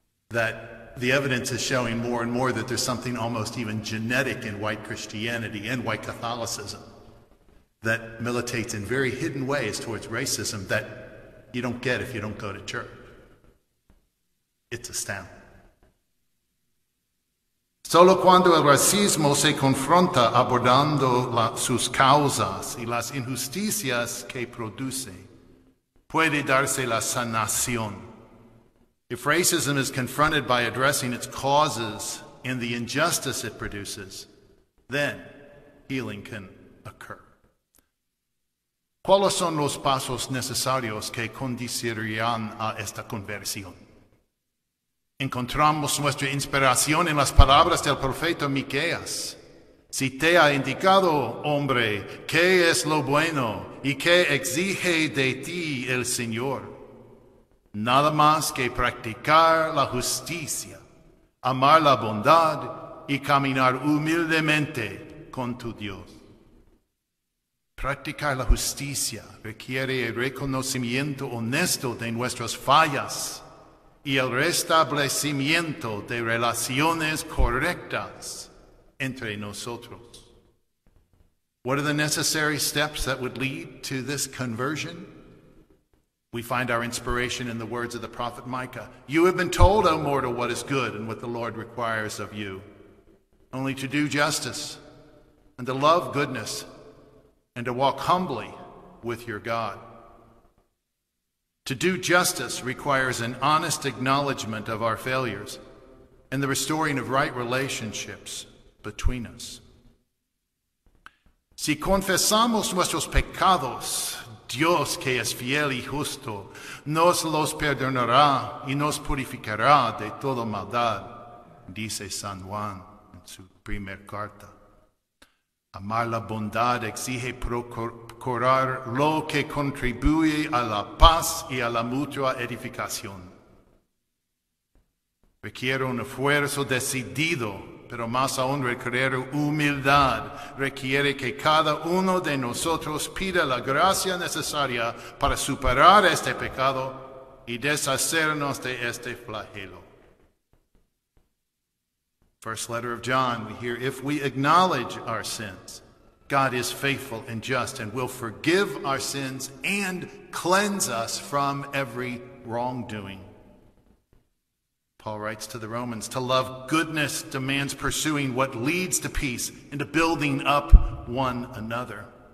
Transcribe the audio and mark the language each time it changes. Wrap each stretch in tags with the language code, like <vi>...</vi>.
<en>That the evidence is showing more and more that there's something almost even genetic in white Christianity and white Catholicism that militates in very hidden ways towards racism that you don't get if you don't go to church. It's astounding.</en> <es>Solo cuando el racismo se confronta abordando sus causas y las injusticias que produce, puede darse la sanación.</es> <en>If racism is confronted by addressing its causes and the injustice it produces, then healing can occur.</en> <es>¿Cuáles son los pasos necesarios que conducirían a esta conversión? Encontramos nuestra inspiración en las palabras del profeta Miqueas. Si te ha indicado, hombre, qué es lo bueno y qué exige de ti el Señor. Nada más que practicar la justicia, amar la bondad y caminar humildemente con tu Dios. Practicar la justicia requiere el reconocimiento honesto de nuestras fallas y el restablecimiento de relaciones correctas entre nosotros.</es> <en>What are the necessary steps that would lead to this conversion? We find our inspiration in the words of the prophet Micah. You have been told, O mortal, what is good and what the Lord requires of you, only to do justice and to love goodness and to walk humbly with your God. To do justice requires an honest acknowledgement of our failures and the restoring of right relationships between us.</en> <es>Si confesamos nuestros pecados, Dios, que es fiel y justo, nos los perdonará y nos purificará de toda maldad, dice San Juan en su primera carta. Amar la bondad exige procurar lo que contribuye a la paz y a la mutua edificación. Requiere un esfuerzo decidido, pero más aún requiere humildad. Requiere que cada uno de nosotros pida la gracia necesaria para superar este pecado y deshacernos de este flagelo.</es> <en>First letter of John, we hear, if we acknowledge our sins, God is faithful and just and will forgive our sins and cleanse us from every wrongdoing. Paul writes to the Romans, to love goodness demands pursuing what leads to peace and to building up one another.</en>